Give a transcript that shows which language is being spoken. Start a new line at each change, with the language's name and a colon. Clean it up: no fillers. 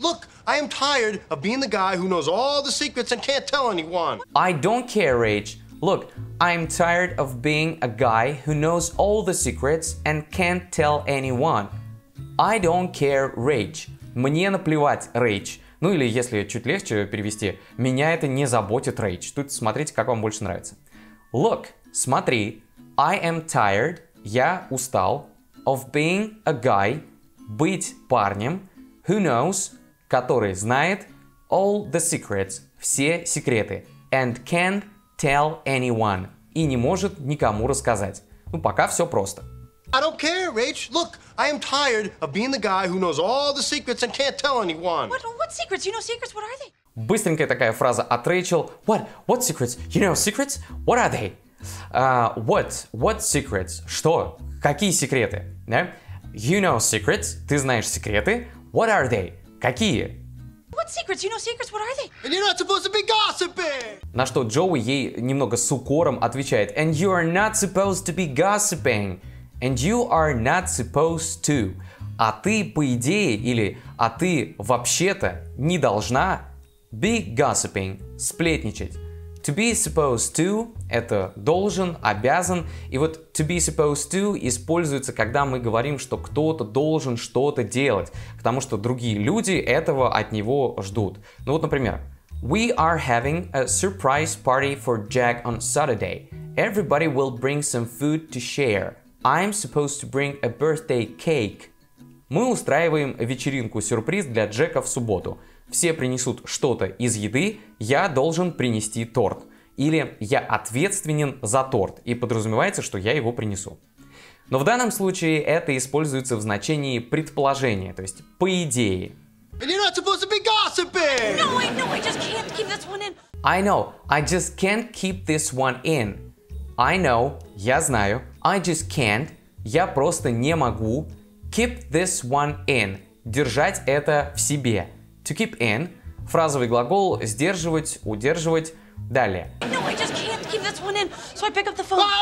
English: Look, I am tired of being the guy who knows all the secrets and can't tell anyone. I don't care, Rach. Look, I am tired of being a guy who knows all the secrets and can't tell anyone. I don't care, Rach.
Russian: Мне наплевать, Рэйч. Ну или если чуть легче перевести, меня это не заботит, Рэйч. Тут смотрите, как вам больше нравится. Look, смотри,
English: I am tired,
Russian: я устал,
English: of being a guy,
Russian: быть парнем,
English: who knows,
Russian: который знает,
English: all the secrets,
Russian: все секреты,
English: and can't tell anyone,
Russian: и не может никому рассказать. Ну, пока все просто.
English: I don't care, Rach. Look, I am tired of being the guy who knows all the secrets and can't tell anyone. What secrets? You know secrets? What are they?
Russian: Быстренькая такая фраза от Рэйчел.
English: What secrets? You know secrets? What are they? What secrets?
Russian: Что? Какие секреты? Да?
English: You know secrets?
Russian: Ты знаешь секреты?
English: What are they? Какие? What secrets? You know secrets? What are they? And you're not supposed to be gossiping!
Russian: На что Джоуи ей немного с укором отвечает.
English: And you are not supposed to be gossiping. And you are not supposed to.
Russian: А ты, по идее, или а ты вообще-то не должна
English: be gossiping,
Russian: сплетничать.
English: To be supposed to
Russian: – это должен, обязан. И вот
English: to be supposed to
Russian: используется, когда мы говорим, что кто-то должен что-то делать, потому что другие люди этого от него ждут. Ну вот, например,
English: we are having a surprise party for Jack on Saturday. Everybody will bring some food to share. I'm supposed to bring a birthday cake.
Russian: Мы устраиваем вечеринку-сюрприз для Джека в субботу. Все принесут что-то из еды, я должен принести торт. Или я ответственен за торт, и подразумевается, что я его принесу. Но в данном случае это используется в значении предположения, то есть по идее.
English: And you're not supposed to be gossiping! No, I just can't keep this one in. I know, I just can't keep this one in. I know,
Russian: я знаю.
English: I just can't,
Russian: я просто не могу.
English: Keep this one in,
Russian: держать это в себе.
English: To keep in,
Russian: фразовый глагол сдерживать, удерживать, далее.
English: No, I just can't keep this one in, so I pick up the phone.